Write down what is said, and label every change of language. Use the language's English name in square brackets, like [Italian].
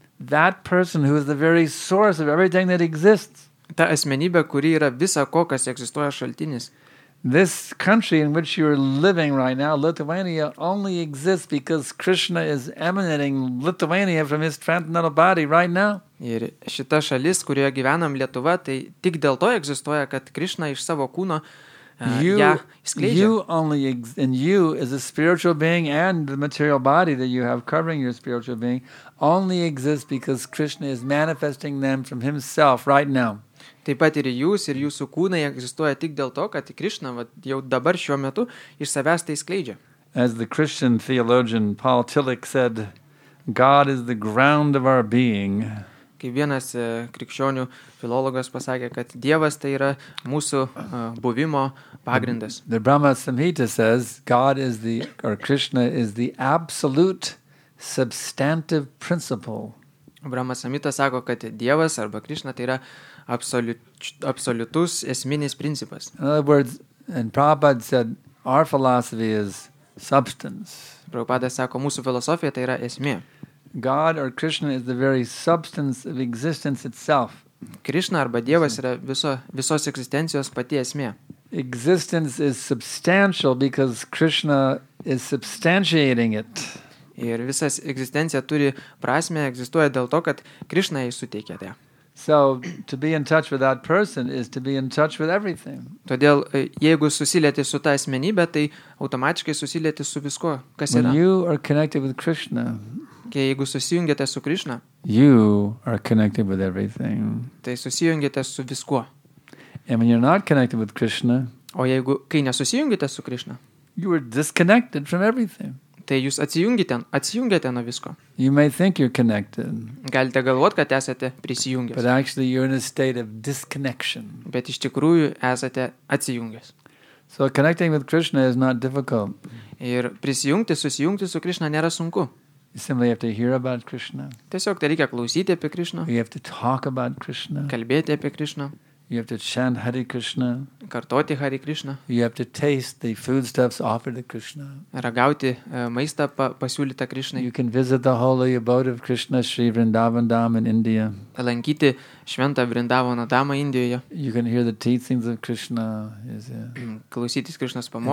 [English] That person who is the very source of everything that exists. [Lithuanian] Ta asmenybė, kuri yra visa ko, kas egzistuoja šaltinis. [English] This country in which you're living right now, Lithuania, only exists because Krishna is emanating Lithuania from his transcendental body right now. [Lithuanian] Ir šita šalis, kurioje gyvenam Lietuva, tai tik dėl to egzistuoja, kad Krishna iš savo kūno ją skleidžia. [English] You as a spiritual being and the material body that you have covering your spiritual being only exist because Krishna is manifesting them from himself right now. [Lithuanian] Taip pat ir jūsų kūnai egzistuoja tik dėl to, kad Krishna vat, jau dabar šiuo metu iš savęs tai skleidžia. [English] As the Christian theologian Paul Tillich said, God is the ground of our being. [Lithuanian] Kaip vienas krikščionių filologas pasakė, kad Dievas tai yra mūsų buvimo pagrindas. [English] The Brahma Samhita says, God is the, or Krishna is the absolute substantive principle. [Lithuanian] Brahmasamita sako, kad Dievas arba Krishna tai yra absoliutus esminis principas. [English] In other words, and Prabhupada said, our philosophy is substance. [Lithuanian] Prabhupada sako, mūsų filosofija tai yra esmė. [English] God or Krishna is the very substance of existence itself. [Lithuanian] Krishna arba Dievas yra visos egzistencijos pati esmė. [English] Existence is substantial because Krishna is substantiating it. [Lithuanian] Ir visa egzistencija turi prasmę, egzistuoja dėl to, kad Krishna jai suteikia tai. [English] So to be in touch with that person is to be in touch with everything. [Lithuanian] Todėl jeigu susilieti su ta asmenybe, tai automatiškai susilieti su visko, kas [English] When [Lithuanian] yra. [English] You are connected with Krishna. [Lithuanian] Kai jeigu susijungiate su Krishna, [English] you are connected with everything. [Lithuanian] Tai susijungiate su viskuo. [English] And when you're not connected with Krishna, [Lithuanian] o jeigu kai nesusijungiate su Krishna, [English] you are disconnected from everything. [Lithuanian] Tai jūs atsijungiate nuo visko. [English] You may think you're connected. [Lithuanian] Galite galvot, kad esate prisijungęs. [English] But actually you're in a state of disconnection. [Lithuanian] Bet iš tikrųjų esate atsijungęs. [English] So connecting with Krishna is not difficult. [Lithuanian] Ir prisijungti, susijungti su Krishna nėra sunku. [English] You simply have to hear about Krishna. [Lithuanian] Tiesiog tai reikia klausyti apie Krishna. [English] You have to talk about Krishna. [Lithuanian] Kalbėti apie Krishna. [English] You have to chant Hare Krishna. [Lithuanian] Kartoti Hare Krishna. [English] You have to taste the foodstuffs offered to Krishna. [Lithuanian] Ragauti maistą pasiūlytą Krishnai. [English] You can visit the holy abode of Krishna, Sri Vrindavan Dham in India. [Lithuanian] Lankyti šventą Vrindavano Dhamą Indijoje. [English] You can hear the teachings of Krishna. Is it? [Lithuanian] Klausytis Krishnos pamokymų.